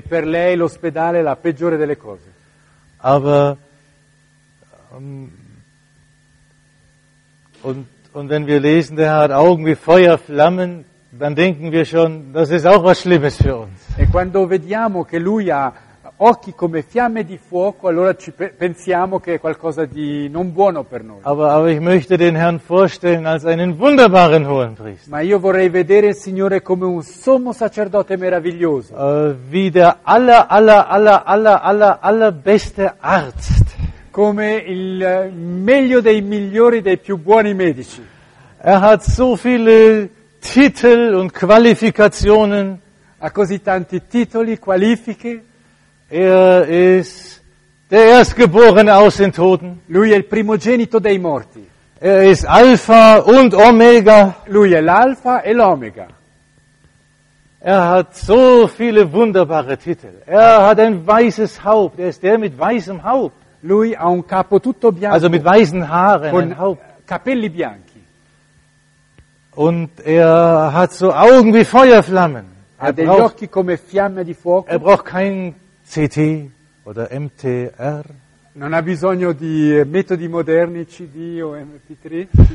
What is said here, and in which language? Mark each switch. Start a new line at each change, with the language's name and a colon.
Italian: E per lei l'ospedale è la peggiore delle cose.
German: Aber Und wenn wir lesen, der hat Augen wie Feuerflammen, dann denken wir schon, das ist auch was Schlimmes für uns.
Italian: E quando vediamo che lui ha occhi come fiamme di fuoco, allora ci pensiamo che è qualcosa di non buono per noi.
German: Aber ich möchte den Herrn vorstellen als einen wunderbaren hohen Priester.
Italian: Ma io vorrei vedere il Signore come un sommo sacerdote meraviglioso.
German: Wie der allerbeste Arzt.
Italian: Come il meglio dei migliori dei più buoni medici.
German: Er hat so viele Titel und Qualifikationen.
Italian: Ha così tanti titoli, qualifiche.
German: Er ist der Erstgeborene aus den Toten.
Italian: Lui è il primogenito dei morti.
German: Er ist Alpha und Omega.
Italian: Lui è l'Alfa e l'Omega.
German: Er hat so viele wunderbare Titel. Er hat ein weißes Haupt. Er ist der mit weißem Haupt.
Italian: Lui ha un capo tutto bianco.
German: Also mit weißen Haaren,
Italian: con capelli bianchi.
German: Und er hat so Augen wie Feuerflammen.
Italian: Ha degli occhi come fiamme di fuoco.
German: Er braucht kein CT oder MTR.
Italian: Non ha bisogno di metodi moderni, CD o MP3.